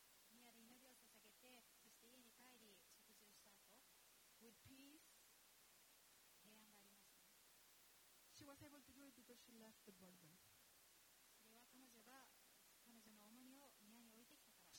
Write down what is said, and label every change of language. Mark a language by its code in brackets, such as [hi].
[ja] 神宮で祈りを捧げて、そして家に帰り食事をした後、 [en] with peace, [ja] 平安がありましたね。 [en] She was able to do it because she left the burden. [ja] それは彼女の重荷を宮に置いてきたから。